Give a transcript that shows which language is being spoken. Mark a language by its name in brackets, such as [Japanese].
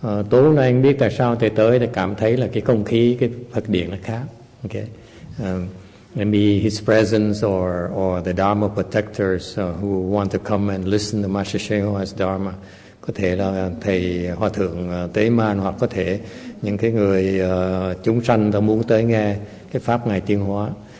[Vietnamese] Tối nay anh biết tại sao thầy tới thì cảm thấy là cái không khí cái Phật điện là khác. Okay. [English] Maybe his presence or the Dharma protectors who want to come and listen to Master Srinivas Dharma. [Vietnamese] Có thể là thầy Hòa Thượng Tế Man, hoặc có thể những cái người chúng sanh đã muốn tới nghe cái pháp ngài tiên hóa.